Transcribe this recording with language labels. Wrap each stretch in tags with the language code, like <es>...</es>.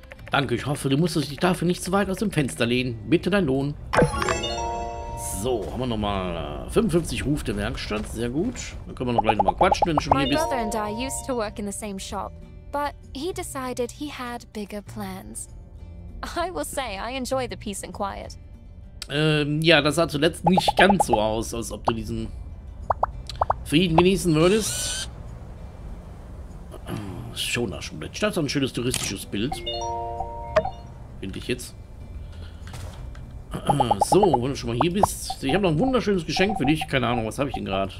<de>Danke, ich hoffe, du musst dich dafür nicht zu weit aus dem Fenster lehnen. Bitte dein Lohn. So, haben wir nochmal 55 Ruf der Werkstatt. Sehr gut. Dann können wir noch gleich nochmal quatschen, wenn du schon hier bist. Mein Bruder und ich arbeiteten in der gleichen Shop, aber er</de> <en>decided he had bigger plans. I will say, I enjoy the peace and quiet.</en> <de>Ja, das sah zuletzt nicht ganz so aus, als ob du diesen Frieden genießen würdest. Schon nach Schumblett. Das ist ein schönes touristisches Bild. Finde ich jetzt. So, wenn du schon mal hier bist. Ich habe noch ein wunderschönes Geschenk für dich. Keine Ahnung, was habe ich denn gerade?</de>